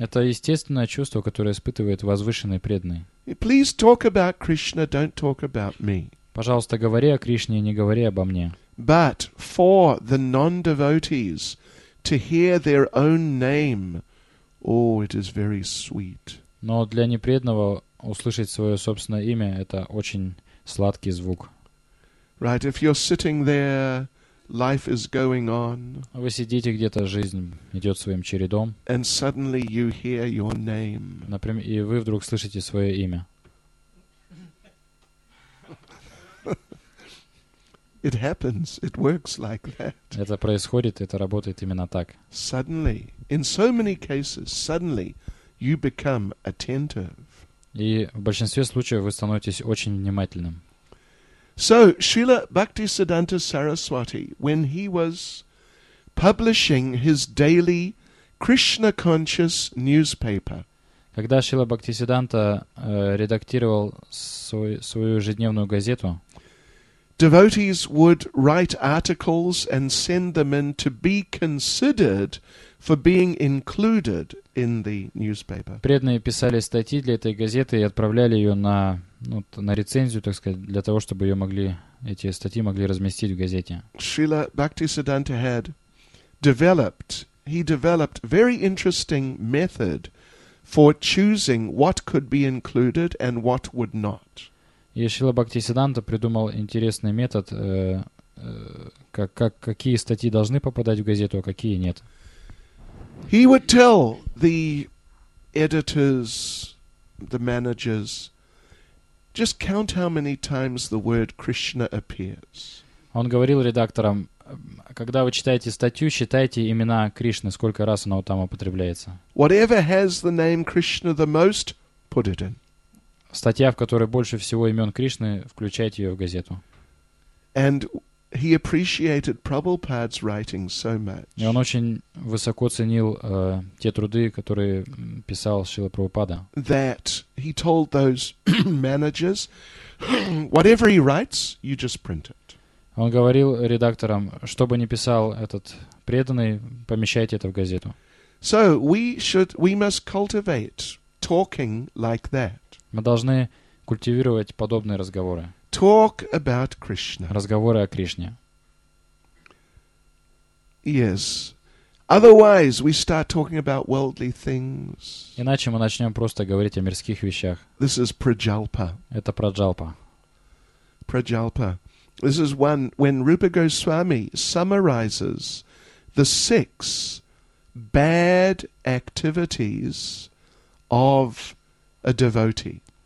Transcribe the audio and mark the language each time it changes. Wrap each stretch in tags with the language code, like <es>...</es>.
<ru>Это естественное чувство, которое испытывает возвышенный преданный.</ru> <en>Please talk about Krishna, don't talk about me.</en> <ru>Пожалуйста, говори о Кришне, не говори обо мне.</ru> <en>But for the non-devotees to hear their own name, oh, it is very sweet.</en> <ru>Но для непреданного услышать свое собственное имя — это очень сладкий звук.</ru> <en>Right, if you're sitting there, life is going on.</en> <ru>Вы сидите где-то, жизнь идет своим чередом.</ru> <en>And suddenly you hear your name.</en> <ru>Например, и вы вдруг слышите свое имя.</ru> <en>It happens. It works like that.</en> <ru>Это происходит, это работает именно так.</ru> <en>Suddenly, in so many cases, suddenly you become attentive.</en> <ru>И в большинстве случаев вы становитесь очень внимательным.</ru> <en>So, Srila Bhaktisiddhanta Saraswati, when he was publishing his daily Krishna conscious newspaper.</en> <ru>Когда Шрила Бхактисиддханта редактировал свою ежедневную газету,</ru> <en>devotees would write articles and send them in to be considered for being included in the newspaper.</en> <ru>Преданные писали статьи для этой газеты и отправляли ее на рецензию, так сказать, для того, чтобы эти статьи могли разместить в газете.</ru> <en>Srila Bhaktisiddhanta developed very interesting method for choosing what could be included and what would not.</en> <ru>И Шрила Бхактисиддханта придумал интересный метод, какие статьи должны попадать в газету, а какие нет.</ru> <en>He would tell the editors, the managers, just count how many times the word Krishna appears.</en> <ru>Он говорил редакторам, когда вы читаете статью, считайте имена Кришны, сколько раз оно там употребляется.</ru> <en>Whatever has the name Krishna the most, put it in.</en> <ru>Статья, в которой больше всего имен Кришны, включайте ее в газету.</ru> <en>And he appreciated Prabhupada's writing so much.</en> <ru>И он очень высоко ценил те труды, которые писал Шрила Прабхупада.</ru> <en>That he told those managers, whatever he writes, you just print it.</en> <ru>Он говорил редакторам, что бы ни писал этот преданный, помещайте это в газету.</ru> <en>So we must cultivate talking like that.</en> <ru>Мы должны культивировать подобные разговоры.</ru> <en>talk about Krishna.</en> <ru>Разговоры о Кришне.</ru> <en>Yes. Otherwise, we start talking about worldly things.</en> <ru>Иначе мы начнем просто говорить о мирских вещах.</ru> <en>This is prajalpa.</en> <ru>Это праджалпа.</ru> <en>Prajalpa. This is one when Rupa Goswami summarizes the six bad activities of a devotee.</en>